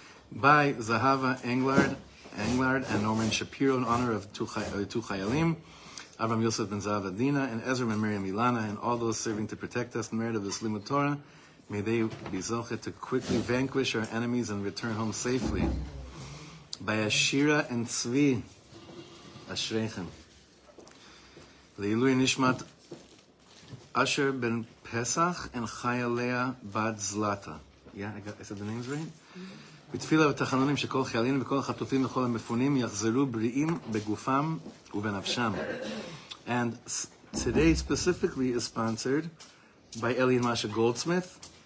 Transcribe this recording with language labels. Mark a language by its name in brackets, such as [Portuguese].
[English] By Zahava Englard and Norman Shapiro, in honor of two Chayalim, Avram Yosef Ben Zahav Adina, and Ezra and Miriam Ilana, and all those serving to protect us, the merit of this Limud Torah, may they be zochet to quickly vanquish our enemies and return home safely. By Ashira and Tzvi, Ashrechem. Leilui Nishmat, Asher Ben Pesach, and Chayalea Bad Zlata. Yeah, I said the names right? [Hebrew] בתפילה ותחנונים שכל חיילים וכל החטופים וכל המפונים יחזרו בריאים בגופם ובנפשם. [English] And today specifically is sponsored by Eli and Masha Goldsmith.